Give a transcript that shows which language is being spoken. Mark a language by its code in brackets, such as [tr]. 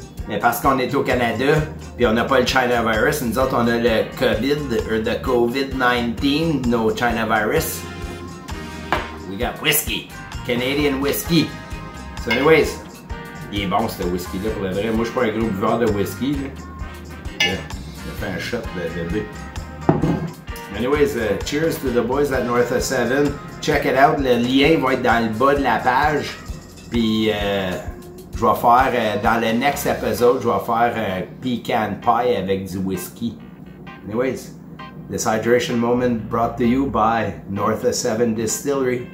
[fr] Mais parce qu'on est au Canada puis on n'a pas le China virus, nous autres on a le COVID, [en] or the COVID-19, no China virus. We got whisky, Canadian whisky. So anyways, [fr] il est bon ce whisky là pour le vrai. Moi je suis pas un gros buveur de whisky. J'ai fait un shot de bébé. [en] Anyways, cheers to the boys at North of Seven. Check it out, [fr] le lien va être dans le bas de la page. Puis, Je vais faire, dans le [en] next episode, [fr] je vais faire un pecan pie avec du whisky. [en] Anyways, this hydration moment brought to you by North of 7 Distillery.